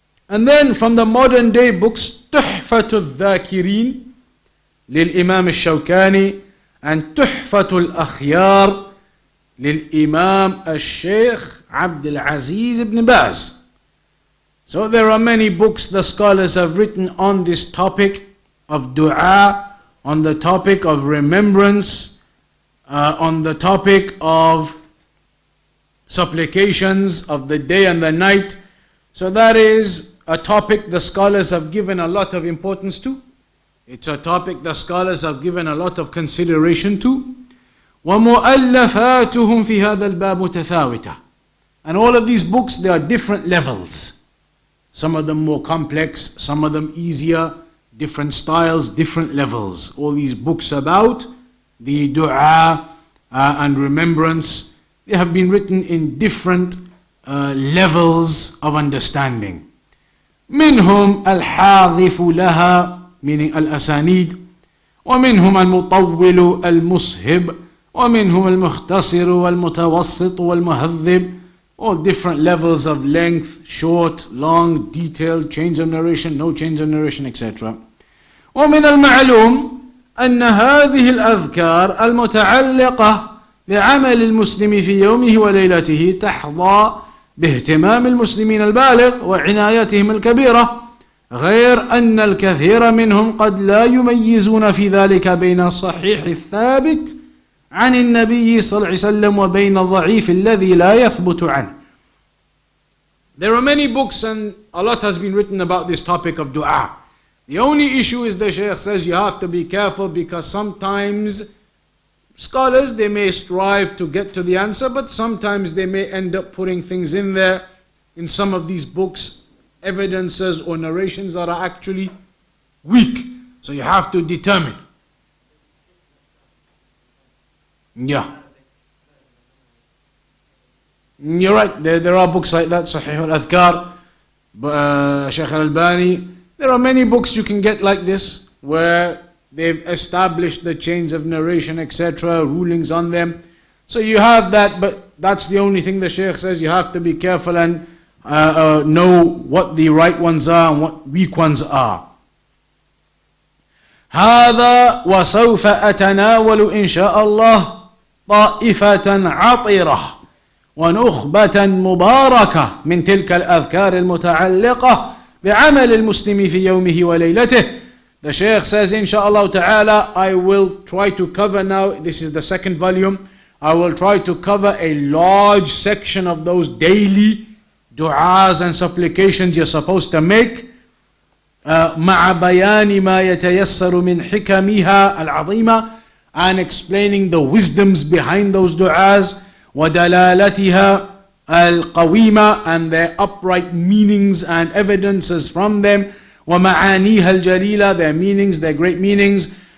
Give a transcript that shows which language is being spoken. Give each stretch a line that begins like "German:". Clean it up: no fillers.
English: And then from the modern day books,
Arabic: تحفة الذاكرين للإمام الشوكاني and تحفة الأخيار للإمام الشيخ عبد العزيز بن باز.
English: So there are many books the scholars have written on this topic of dua, on the topic of remembrance, on the topic of supplications of the day and the night. So that is a topic the scholars have given a lot of importance to. It's a topic the scholars have given a lot of consideration to.
Arabic: وَمُؤَلَّفَاتُهُمْ فِي هَذَا الْبَابُ تَثَاوِتَ.
English: And all of these books, they are different levels. Some of them more complex, some of them easier. Different styles, different levels. All these books about the dua and remembrance, they have been written in different levels of understanding.
Arabic: منهم الحاذف لها, meaning الأسانيد, ومنهم المطول المصهب, ومنهم المختصر والمتوسط والمهذب.
English: All different levels of length, short, long, detailed, change of narration, no change of narration, etc.
Arabic: ومن المعلوم أن هذه الأذكار المتعلقة لعمل المسلم في يومه وليلته تحظى باهتمام المسلمين البالغ وعنايتهم الكبيرة, غير أن الكثير منهم قد لا يميزون في ذلك بين الصحيح الثابت عن النبي صلى الله عليه وسلم وبين الضعيف الذي لا يثبت عنه.
English: There are many books and a lot has been written about this topic of dua. The only issue is the Shaykh says you have to be careful because sometimes scholars, they may strive to get to the answer, but sometimes they may end up putting things in there, in some of these books, evidences or narrations that are actually weak. So you have to determine. Yeah. You're right, there are books like that, Sahih al-Adhkar, Shaykh al-Albani. There are many books you can get like this, where they've established the chains of narration, etc., rulings on them. So you have that, but that's the only thing the Shaykh says. You have to be careful and know what the right ones are and what weak ones are.
Arabic: هذا وسوف أتناول إن شاء الله طائفة عطرة ونخبة مباركة من تلك الأذكار المتعلقة بعمل المسلم في يومه وليلته.
English: The Shaykh says, inshallah ta'ala, I will try to cover now, this is the second volume, I will try to cover a large section of those daily du'as and supplications you're supposed to make.
Arabic: مع بيان ما يتيسر من حكمها العظيمة
English: and explaining the wisdoms behind those du'as
Arabic: ودلالتها القويمة
English: and their upright meanings and evidences from them
Arabic: ومعانيها الجليلة
English: their meanings, their great meanings